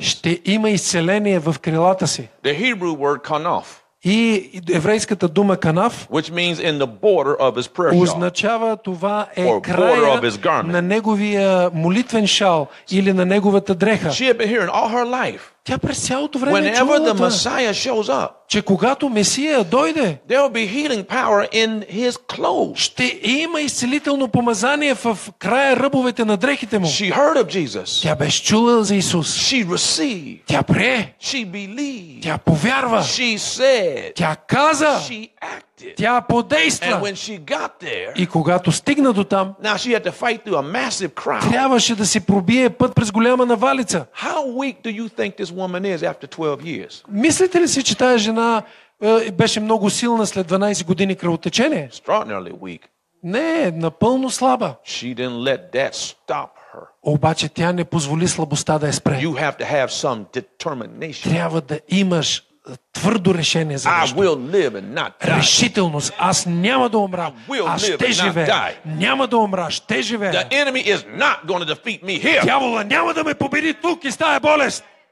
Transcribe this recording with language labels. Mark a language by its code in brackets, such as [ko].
[bg] Ще има изцеление в крилата си. [en] The Hebrew word kanaf. [bg] И еврейската дума канаф, [en] which means in the border of his prayer shawl, [bg] означава това е края на неговия молитвен шал или на неговата дреха. [en] She had been hearing all her life. [bg] Тя през цялото време е чула, [en] the Messiah shows up, [bg] че когато Месия дойде, [en] there will be healing power in his clothes. [bg] Ще има изцелително помазание в края ръбовете на дрехите му. [en] She heard of Jesus. [bg] Тя беше чула за Исус. [en] She received. [bg] Тя прие. [en] She believed. [bg] Тя повярва. [en] She said. [bg] Тя каза. [en] She acted. [bg] Тя подейства. [en] And when she got there, [bg] и когато стигна до там, [en] now she had to fight through a massive crowd. [bg] Трябваше да се пробие път през голяма навалица. [en] How weak do you think this woman is after 12 years? [bg] Мислите ли си, че тая жена беше много силна след 12 години кръвотечение? [en] Extraordinarily weak. [bg] Не, напълно слаба. [en] She didn't let that stop her. [bg] Обаче тя не позволи слабостта да я спре. [en] You have to have some determination. [bg] Трябва да имаш твърдо решение за нещо. [en] I will live and not die. [bg] Решителност. Аз няма да умра. Аз ще живея. Няма да умра. Ще живея. [en] The enemy is not going to defeat me here. [bg] Дявола няма да ме победи тук и с тая болест.